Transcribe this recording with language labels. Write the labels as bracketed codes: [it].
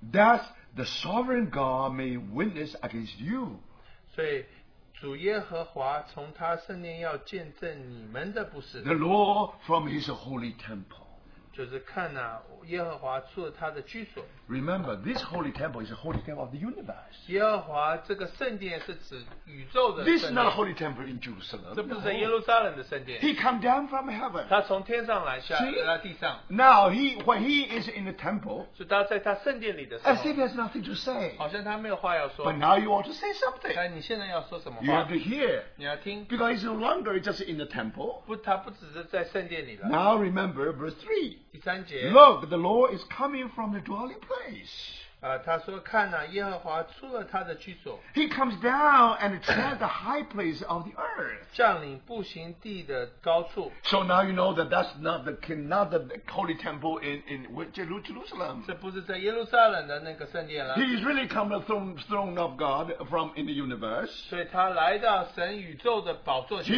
[en] Thus the sovereign God may witness against you. [zh] 所以主耶和华从他圣殿要见证你们的不是。 [en] The Lord from his holy temple. [zh] 就是看啊,耶和华住他的居所。 [en] Remember, this holy temple is a holy temple of the universe. [zh] 耶和华这个圣殿是指宇宙的圣殿。 [en] This is not a holy temple in Jerusalem. [zh] 这不是耶路撒冷的圣殿。 [en] He come down from heaven. [zh] 他从天上来下来到地上。 [en] Now, when he is in the temple, [zh] 是他在他圣殿里的时候, [en] as if he has nothing to say. [zh] 好像他没有话要说。 [en] But now you ought to say something. [zh] 但你现在要说什么话? [en] You have to hear. [zh] 你要听。 [en] Because he's no longer just in the temple. [zh] 他不只是在圣殿里了。 [en] Now remember, verse 3. [zh] 第三节, [en] Look, the law is coming from the dwelling place. [zh] 他说看啊耶和华出了他的居所 [en] He comes down and tread the high place of the earth [zh] 降临步行地的高处 [en] So now you know that that's not the, not the holy temple in Jerusalem [zh] 这不是在耶路撒冷的那个圣殿了 [en] He is really come from the throne of God from in the universe [zh] 所以他来到神宇宙的宝座前